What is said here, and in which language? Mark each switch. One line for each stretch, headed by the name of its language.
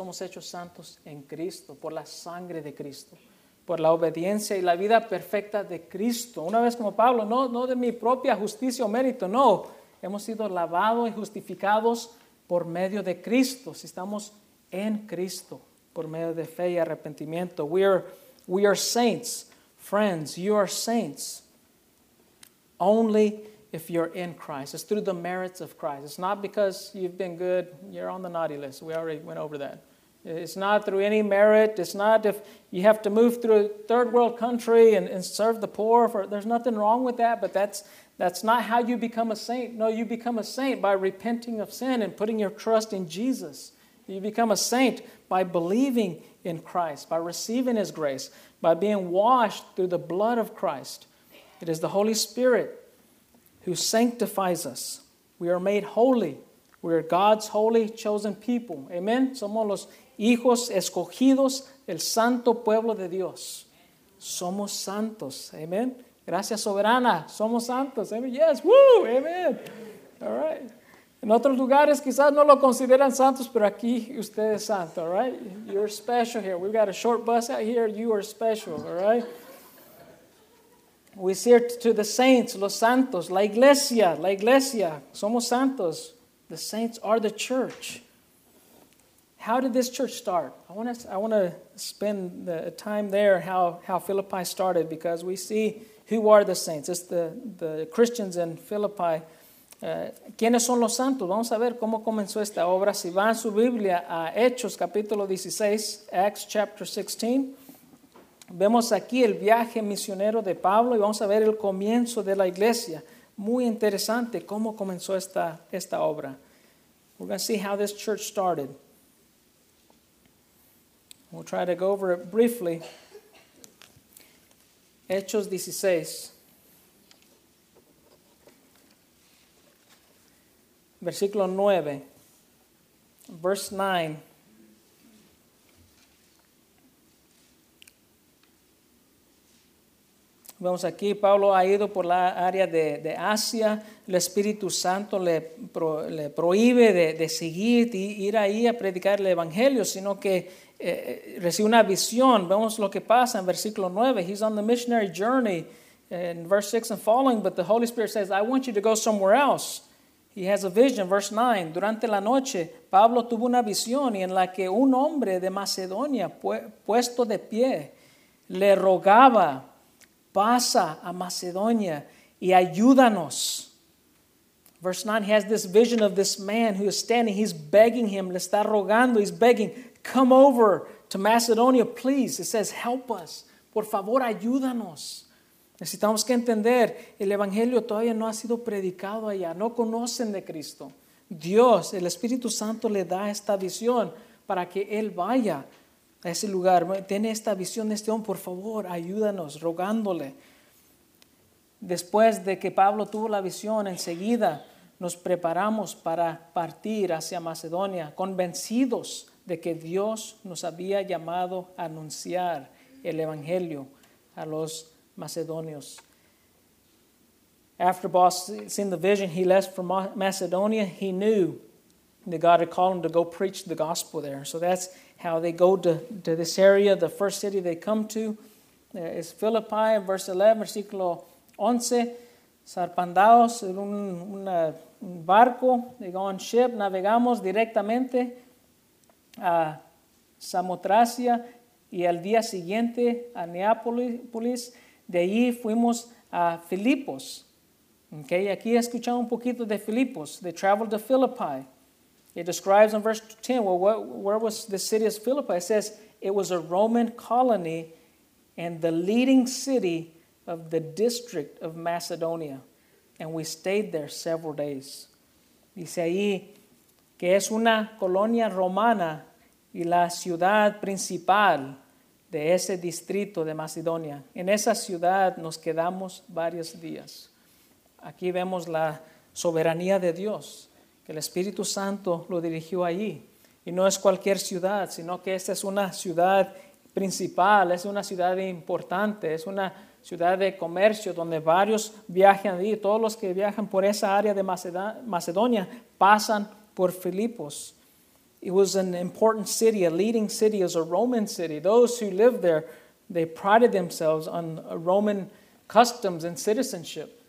Spanish: Somos hechos santos en Cristo, por la sangre de Cristo, por la obediencia y la vida perfecta de Cristo. Una vez como Pablo, no de mi propia justicia o mérito, no. Hemos sido lavados y justificados por medio de Cristo. Si estamos en Cristo, por medio de fe y arrepentimiento.
English: We are saints, friends, you are saints. Only if you're in Christ, it's through the merits of Christ. It's not because you've been good, you're on the naughty list. We already went over that. It's not through any merit. It's not if you have to move through a third world country and serve the poor. There's nothing wrong with that, but that's not how you become a saint. No, you become a saint by repenting of sin and putting your trust in Jesus You become a saint by believing in Christ, by receiving His grace, by being washed through the blood of Christ. It is the Holy Spirit who sanctifies us. We are made holy. We are God's holy chosen people. Amen.
Spanish: Somos los hijos escogidos, el santo pueblo de Dios. Somos santos. Amen. Gracias, soberana. Somos santos. Amen.
English: Yes. Woo.
Spanish: Amen.
English: All right.
Spanish: En otros lugares quizás no lo consideran santos, pero aquí usted es santo,
English: all right? You're special here. We've got a short bus out here. You are special, all right? We see it to the saints,
Spanish: los santos, la iglesia, somos santos.
English: The saints are the church. How did this church start? I want to spend the time there, how Philippi started, because we see who are the saints. It's the Christians in Philippi.
Spanish: ¿Quiénes son los santos? Vamos a ver cómo comenzó esta obra. Si van su Biblia a Hechos capítulo 16,
English: Acts chapter 16,
Spanish: vemos aquí el viaje misionero de Pablo y vamos a ver el comienzo de la iglesia. Muy interesante cómo comenzó esta obra.
English: We're going to see how this church started. We'll try to go over it briefly.
Spanish: Hechos 16. Versículo 9,
English: verse 9.
Spanish: Vemos aquí, Pablo ha ido por la área de Asia. El Espíritu Santo le prohíbe de seguir y ir ahí a predicar el Evangelio, sino que recibe una visión. Vemos lo que pasa en versículo 9.
English: He's on the missionary journey in verse 6 and following, but the Holy Spirit says, I want you to go somewhere else. He has a vision, verse 9.
Spanish: Durante la noche, Pablo tuvo una visión y en la que un hombre de Macedonia puesto de pie le rogaba, pasa a Macedonia y ayúdanos.
English: Verse 9, he has this vision of this man who is standing. He's begging him,
Spanish: le está rogando,
English: he's begging, come over to Macedonia, please. It says, help us.
Spanish: Por favor, ayúdanos. Necesitamos que entender, el Evangelio todavía no ha sido predicado allá, no conocen de Cristo. Dios, el Espíritu Santo le da esta visión para que Él vaya a ese lugar. Tiene esta visión de este hombre, por favor, ayúdanos, rogándole. Después de que Pablo tuvo la visión, enseguida nos preparamos para partir hacia Macedonia, convencidos de que Dios nos había llamado a anunciar el Evangelio a los Macedonios.
English: After Paul seen the vision, he left for Macedonia. He knew that God had called him to go preach the gospel there. So that's how they go to this area. The first city they come to is Philippi, verse 11,
Spanish: versículo 11. Zarpandaos en un barco.
English: They go on ship.
Spanish: Navegamos directamente a Samotracia y al día siguiente a Neápolis. De ahí fuimos a Filipos. Okay, aquí escuchamos un poquito de Filipos.
English: They traveled to Philippi. It describes in verse 10, well, where was the city of Philippi? It says, it was a Roman colony and the leading city of the district of Macedonia. And we stayed there several days.
Spanish: Dice ahí que es una colonia romana y la ciudad principal de ese distrito de Macedonia. En esa ciudad nos quedamos varios días. Aquí vemos la soberanía de Dios, que el Espíritu Santo lo dirigió allí. Y no es cualquier ciudad, sino que esta es una ciudad principal, es una ciudad importante, es una ciudad de comercio donde varios viajan allí. Todos los que viajan por esa área de Macedonia pasan por Filipos.
English: It was an important city, a leading city, as a Roman city. Those who lived there, they prided themselves on Roman customs and citizenship.